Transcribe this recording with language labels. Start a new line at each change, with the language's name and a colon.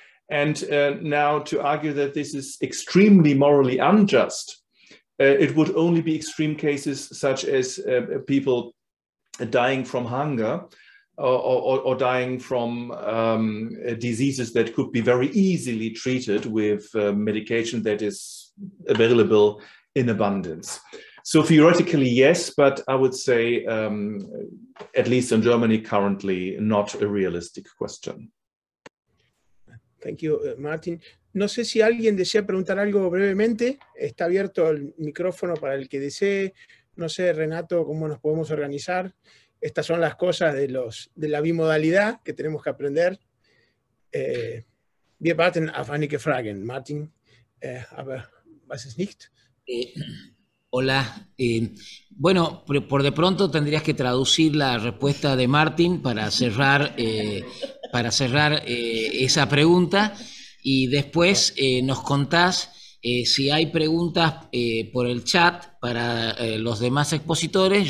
English: And now to argue that this is extremely morally unjust, it would only be extreme cases such as people dying from hunger or dying from diseases that could be very easily treated with medication that is available in abundance. So theoretically, yes, but I would say, at least in Germany currently, not a realistic question. Thank you, Martin.
Spanish: No sé si alguien desea preguntar algo brevemente. Está abierto el micrófono para el que desee. No sé, Renato, cómo nos podemos organizar. Estas son las cosas de los de la bimodalidad que tenemos que aprender.
German: Wir warten auf einige Fragen, Martin. Aber was ist nicht?
Spanish: Hola. Bueno, por de pronto tendrías que traducir la respuesta de Martin para cerrar. Para cerrar esa pregunta y después nos contás si hay preguntas por el chat para los demás expositores.